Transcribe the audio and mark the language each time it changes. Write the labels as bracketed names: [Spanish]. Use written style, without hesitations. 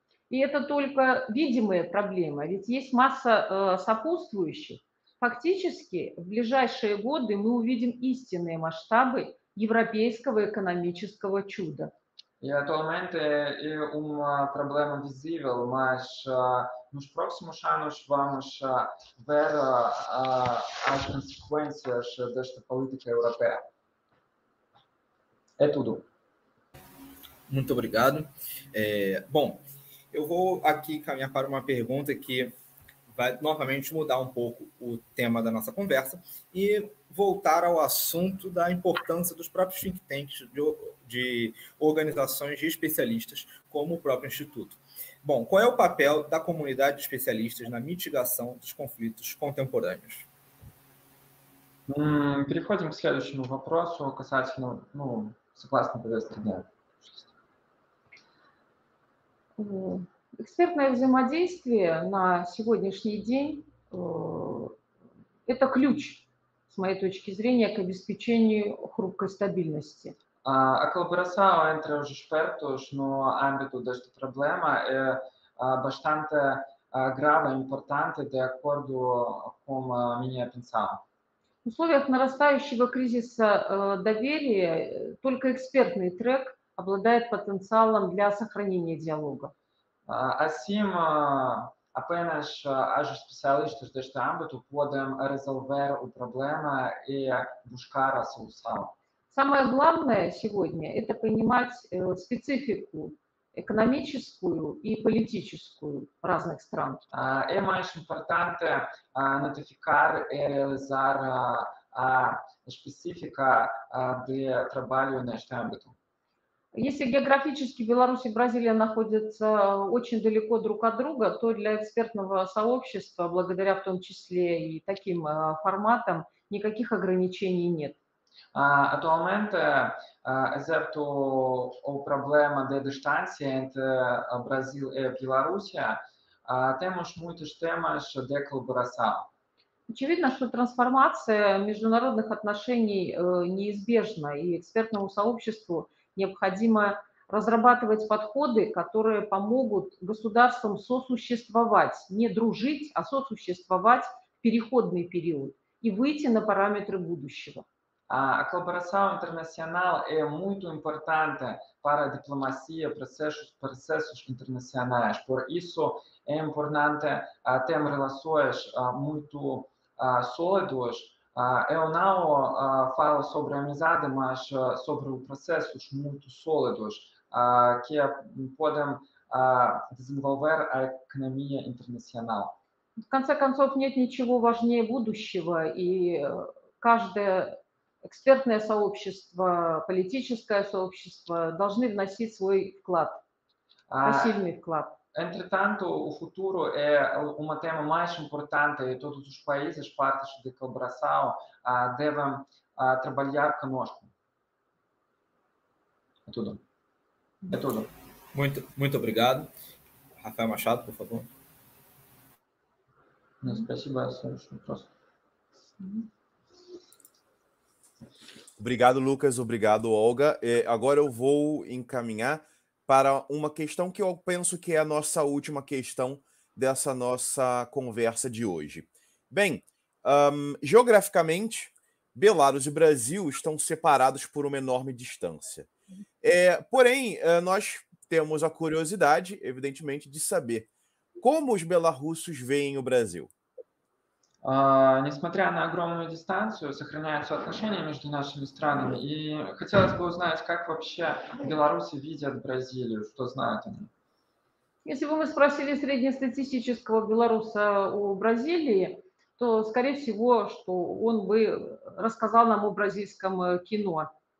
[Russian] И это только видимые проблемы, ведь есть масса сопутствующих. Фактически, в ближайшие годы мы увидим истинные масштабы европейского экономического чуда. [Portuguese] E atualmente é um problema visível, mas nos próximos anos vamos ver as consequências desta política europeia. É tudo. Muito obrigado. Bom, eu vou aqui caminhar para uma pergunta que vai novamente mudar um pouco o tema da nossa conversa e voltar ao assunto da importância dos próprios think tanks, de organizações de especialistas, como o próprio Instituto. Bom, qual é o papel da comunidade de especialistas na mitigação dos conflitos contemporâneos? [Russian] Переходим к следующему вопросу, касательно, ну, согласно повестке дня. Экспертное взаимодействие на сегодняшний день – это ключ, с моей точки зрения, к обеспечению хрупкой стабильности. [Portuguese] A colaboração entre os expertos no âmbito desta problema é bastante grave e importante, de acordo com a minha pensão. [Russian] В условиях нарастающего кризиса доверия только экспертный трек обладает потенциалом для сохранения диалога. [Portuguese] Assim, apenas os especialistas deste âmbito podem resolver o problema e buscar a solução. [Russian] Самое главное сегодня – это понимать специфику экономическую и политическую разных стран. [Portuguese] É mais importante notificar e realizar a específica de trabalho neste âmbito. [Russian] Если географически Беларусь и Бразилия находятся очень далеко друг от друга, то для экспертного сообщества, благодаря в том числе и таким форматам, никаких ограничений нет. [Portuguese] Atualmente, exceto o problema de distância entre Brasil e Bielorrússia, temos muitos temas de colaboração. [Russian] Очевидно, что трансформация международных отношений неизбежна, и экспертному сообществу необходимо разрабатывать подходы, которые помогут государствам сосуществовать, не дружить, а сосуществовать в переходный период и выйти на параметры будущего. [Portuguese] A colaboração internacional é muito importante para a diplomacia, processos internacionais. Por isso, é importante ter relações muito sólidas. Eu não falo sobre amizade, mas sobre processos muito sólidos que podem desenvolver a economia internacional. [Russian] В конце концов, нет ничего важнее будущего, и каждое экспертное сообщество, политическое сообщество должны вносить свой вклад, пассивный вклад. [Portuguese] Entretanto, o futuro é uma tema mais importante e todos os países, partes de colaboração, devem trabalhar conosco. É tudo. É tudo. Muito, muito obrigado. Rafael Machado, por favor. Não, [Russian] спасибо, [Portuguese] Sérgio. Próximo. Obrigado, Lucas. Obrigado, Olga. Agora eu vou encaminhar para uma questão que eu penso que é a nossa última questão dessa nossa conversa de hoje. Bem, geograficamente, Belarus e Brasil estão separados por uma enorme distância. Porém, nós temos a curiosidade, evidentemente, de saber como os belarussos veem o Brasil. [Russian] Несмотря на огромную дистанцию, сохраняются отношения между нашими странами. И хотелось бы узнать, как вообще белорусы видят Бразилию, что знают они. Если бы мы спросили среднестатистического белоруса о Бразилии, то, скорее всего, что он бы рассказал нам о бразильском кино.